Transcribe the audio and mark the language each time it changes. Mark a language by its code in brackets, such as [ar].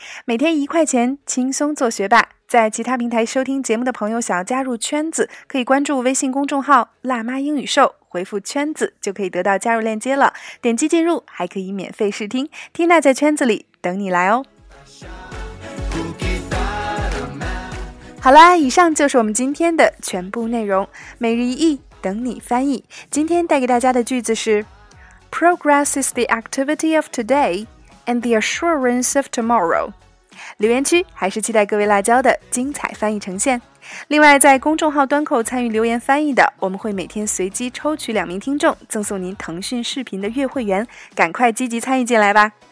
[zh] 每天一块钱，轻松做学霸。在其他平台收听节目的朋友想要加入圈子，可以关注微信公众号辣妈英语秀，回复圈子就可以得到加入链接了。点击进入还可以免费试听，听娜在圈子里等你来哦。好啦，以上就是我们今天的全部内容。每日一译，等你翻译。今天带给大家的句子是 [en] Progress is the activity of today and the assurance of tomorrow。 [zh] 留言区还是期待各位辣椒的精彩翻译呈现。另外在公众号端口参与留言翻译的，我们会每天随机抽取两名听众，赠送您腾讯视频的月会员，赶快积极参与进来吧。